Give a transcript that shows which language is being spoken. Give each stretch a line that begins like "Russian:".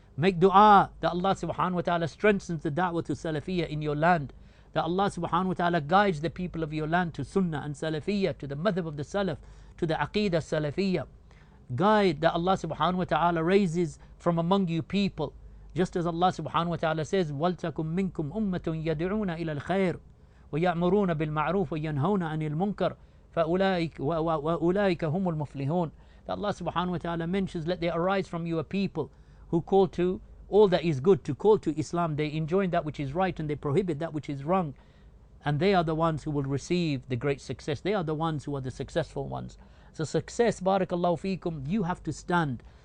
English: Make dua that Allah subhanahu wa ta'ala strengthens the da'wah to salafiyyah in your land. That Allah subhanahu wa ta'ala guides the people of your land to sunnah and salafiyyah, to the madhab of the salaf, to the aqidah salafiyyah. Guide that Allah subhanahu wa ta'ala raises from among you people. Just as Allah subhanahu wa ta'ala says,
Arabic: وَلْتَكُمْ مِنْكُمْ أُمَّةٌ يَدْعُونَ إِلَى الْخَيْرِ وَيَأْمُرُونَ بِالْمَعْرُوفِ وَيَنْهَوْنَ عَنِ الْمُنْكَرِ فَأُولَٰئِكَ هُمُ الْمُفْلِحُونَ.
English: That Allah subhanahu wa ta'ala mentions, let there arise from you a people who call to all that is good, to call to Islam. They enjoin that which is right and they prohibit that which is wrong. And they are the ones who will receive the great success. They are the ones who are the successful ones. So success, barakallahu feekum, you have to stand.